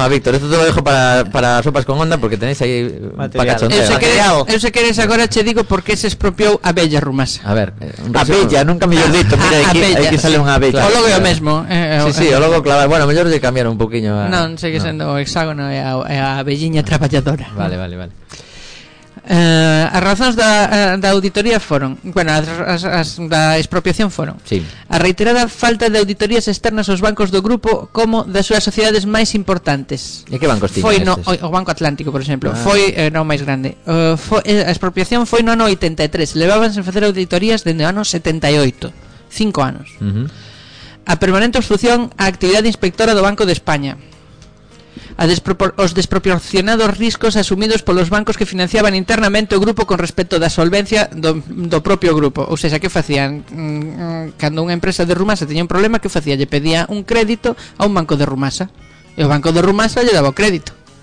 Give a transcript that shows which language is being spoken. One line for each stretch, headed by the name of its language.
Spanish: no, Víctor, esto te lo dejo para Sopas con Onda, porque tenéis ahí para cachondeo. Eso se queréis, ahora te digo por qué se expropió Abella Rumasa. A ver, Abella, nunca me lo he dicho. Mira, aquí sale una Abella. O luego yo mismo. Sí, o luego clavar. Bueno, mejor de cambiar un poquillo. No, sigue siendo hexágono, Abelliña Trabajadora. Vale.
Galician: As razóns da auditoría foron, bueno, as da expropiación foron, sí. A reiterada falta de auditorías externas aos bancos do grupo como das súas sociedades máis importantes. E que bancos tiñan estes? O Banco Atlántico, por exemplo, foi no máis grande. A expropiación foi no ano 83. Levábanse a facer auditorías dende o ano 78, 5 anos. Uh-huh. A permanente obstrucción á actividade inspectora do Banco de España. Os desproporcionados riscos asumidos polos bancos que financiaban internamente o grupo con respecto da solvencia do propio grupo. Ou seja, que facían? Cando unha empresa de Rumasa teña un problema, que facía? Lle pedía un crédito a un banco de Rumasa, e o banco de Rumasa lle daba o crédito.